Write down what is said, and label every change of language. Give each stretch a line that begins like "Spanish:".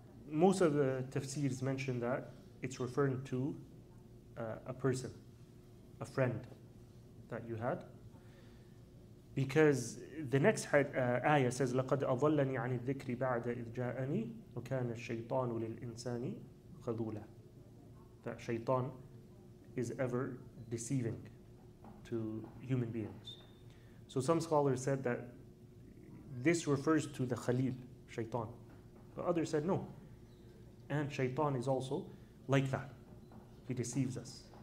English: Most of the tafsirs mention that it's referring to a person, a friend that you had. Because the next ayah says,
Arabic: لَقَدْ أَضَلَّنِي عَنِ الذِّكْرِ بَعْدَ إِذْ جَاءَنِي وَكَانَ الشَّيْطَانُ لِلْإِنسَانِ خَذُولًا.
English: That shaitan is ever deceiving to human beings. So some scholars said that this refers to the khalil, shaitan. But others said no. And shaitan is also like that. He deceives us.